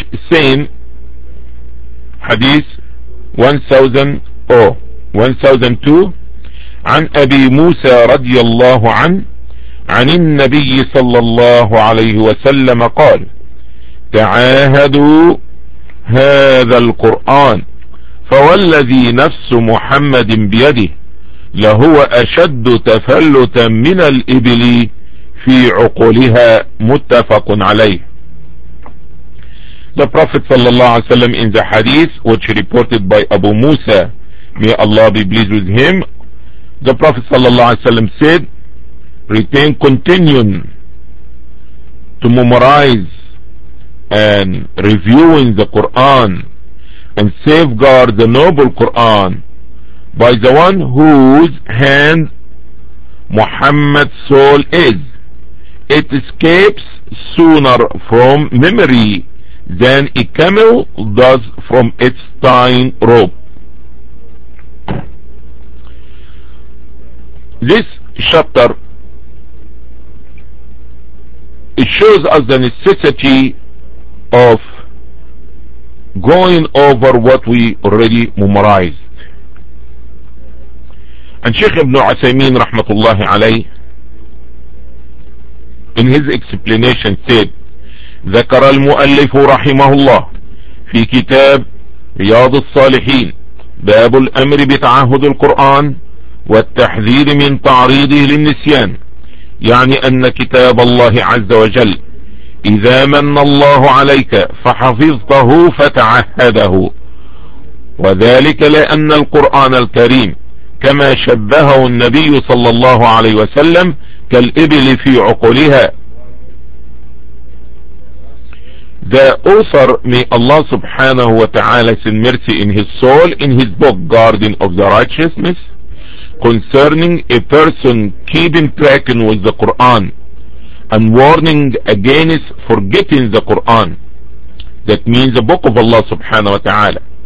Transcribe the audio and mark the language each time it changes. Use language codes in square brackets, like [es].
[en] Same hadith 1002 [ar] عن أبي موسى رضي الله عنه عن النبي صلى الله عليه وسلم قال تعاهدوا هذا القرآن فوالذي نفس محمد بيده لهو أشد تفلتا من الإبل في عقولها متفق عليه. [en] The Prophet sallallahu alaihi wasallam in the hadith which reported by Abu Musa, may Allah be pleased with him, the Prophet sallallahu alaihi wasallam said, retain continuing to memorize and reviewing the Quran and safeguard the noble Quran by the one whose hand Muhammad's soul is. It escapes sooner from memory than a camel does from its tying rope. This chapter, it shows us the necessity of going over what we already memorized. And Sheikh Ibn Uthaymeen rahmatullahi alayh, in his explanation said, [ar] ذكر المؤلف رحمه الله في كتاب رياض الصالحين باب الأمر بتعهد القرآن والتحذير من تعريضه للنسيان، يعني أن كتاب الله عز وجل إذا من الله عليك فحفظته فتعهده، وذلك لأن القرآن الكريم كما شبهه النبي صلى الله عليه وسلم كالإبل في عقولها. [en] The author, may Allah subhanahu wa ta'ala send mercy in his soul, in his book Guardian of the Righteousness, concerning a person keeping tracking with the Quran and warning against forgetting the Quran, that means the book of Allah subhanahu wa ta'ala.